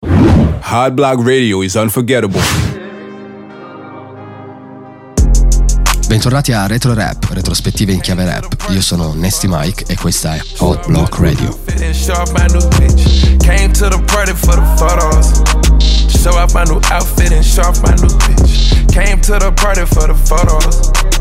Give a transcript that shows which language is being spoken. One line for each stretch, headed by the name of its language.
English: Hot Block Radio is unforgettable.
Italian: Bentornati a Retro Rap, retrospettive in chiave rap. Io sono Nasty Mike e questa è Hot Block Radio.
English: Came to the party for the photos. Show off my new outfit and show off my new bitch. Came to the party for the photos.